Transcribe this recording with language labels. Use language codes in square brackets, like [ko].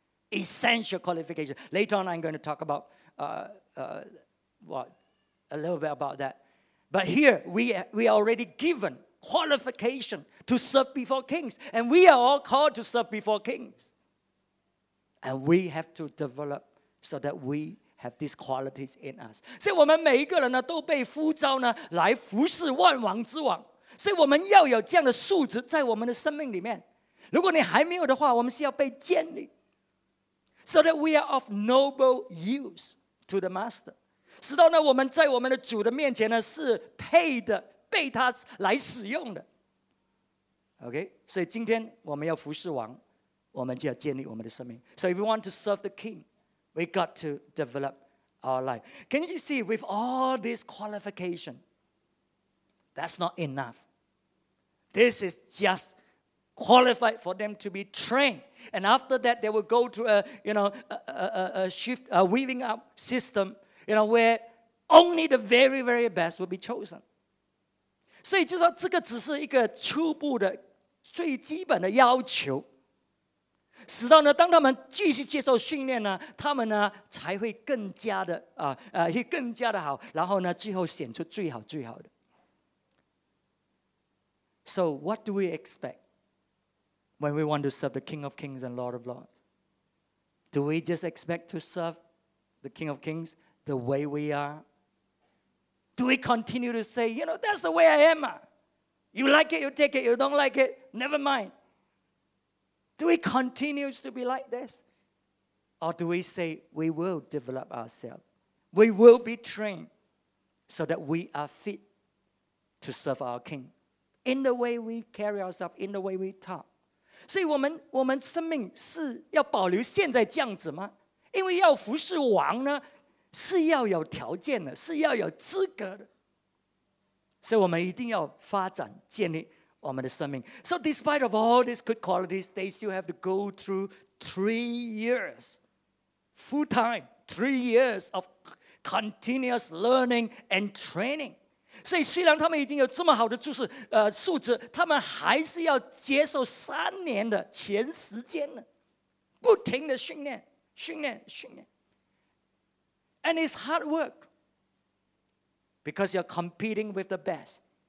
[en] Essential qualification. Later on, I'm going to talk about a little bit about that. But here, we are already given qualification to serve before kings. And we are all called to serve before kings. And we have to develop so that we have these qualities in us. [zh] 所以我们每一个人都被呼召来服侍万王之王。所以我们要有这样的素质在我们的生命里面。如果你还没有的话，我们是要被建立。 [en] So that we are of noble use to the master. [zh] 使到呢，我们在我们的主的面前呢，是配的，被他来使用的。 OK, 所以今天我们要服侍王，我们就要建立我们的生命。 [en] So if we want to serve the king, we got to develop our life. Can you see, with all this qualification, that's not enough. This is just qualified for them to be trained. And after that, they will go to a, you know, a weaving up system, you know, where only the very, very best will be chosen. [zh] 所以就说这个只是一个初步的最基本的要求，使到呢，当他们继续接受训练呢，他们呢才会更加的会更加的好，然后呢，最后显出最好最好的。 [en] So what do we expect when we want to serve the King of Kings and Lord of Lords? Do we just expect to serve the King of Kings the way we are? Do we continue to say, you know, that's the way I am? You like it, you take it. You don't like it, never mind. Do we continue to be like this? Or do we say we will develop ourselves? We will be trained so that we are fit to serve our king in the way we carry ourselves, in the way we talk. [zh] 所以我们生命是要保留现在这样子吗？因为要服侍王呢，是要有条件的，是要有资格的。所以我们一定要发展建立我们的生命。 [en] So despite of all these good qualities, they still have to go through 3 years full time, 3 years of continuous learning and training. [zh] 所以虽然他们已经有这么好的就是素质，他们还是要接受3年的前时间呢，不停的训练训练训练。 [en] And it's hard workBecause you're competing with the best.